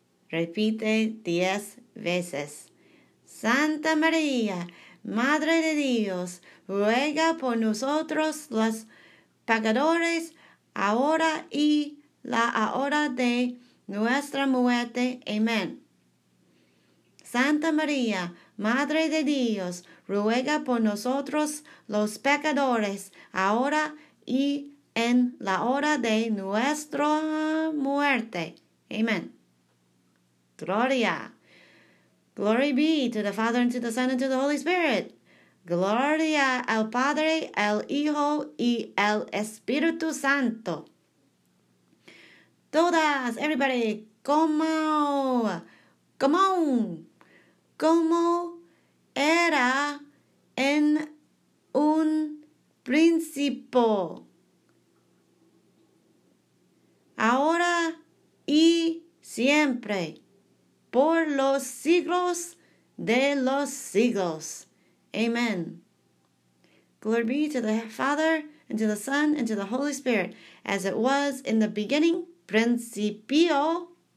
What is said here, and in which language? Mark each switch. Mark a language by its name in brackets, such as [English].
[Spanish] Repite 10 veces. Santa María, Madre de Dios, ruega por nosotros los pecadores, ahora y la hora de nuestra muerte. Amen. Santa María, Madre de Dios, ruega por nosotros los pecadores, ahora y en la hora de nuestra muerte. Amen. Gloria. [English] Glory be to the Father, and to the Son, and to the Holy Spirit. [Spanish] Gloria al Padre, al Hijo, y al Espíritu Santo. [English] Todas, everybody, como, come on. [Spanish] Como era en un principio. Ahora y siempre, por los siglos de los siglos. Amen. [English] Glory be to the Father, and to the Son, and to the Holy Spirit, as it was in the beginning, principio,